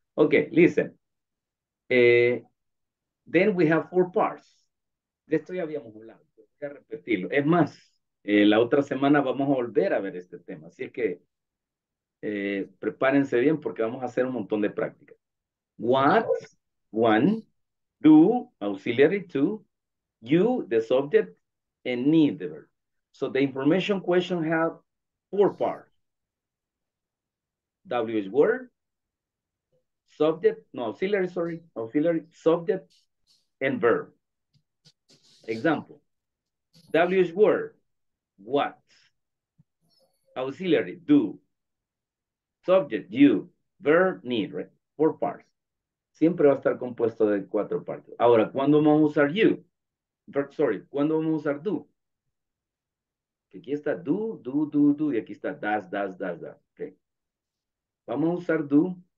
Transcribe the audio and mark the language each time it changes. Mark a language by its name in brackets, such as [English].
[English] Ok, listen. [Spanish] Then we have four parts. De esto ya habíamos hablado. Voy a repetirlo. Es más, la otra semana vamos a volver a ver este tema. Así es que prepárense bien porque vamos a hacer un montón de prácticas. [English] What, one, do, auxiliary to, you, the subject, and need the verb. So the information question have four parts. WH word, subject, no, auxiliary, sorry, auxiliary, subject, and verb. Example, WH word, what, auxiliary, do, subject, you, verb, need, right? Four parts. [Spanish] Siempre va a estar compuesto de cuatro partes. Ahora, ¿cuándo vamos a usar you? ¿Cuándo vamos a usar do? Aquí está do, do, do, do, y aquí está does, does, does. Okay. Vamos a usar do.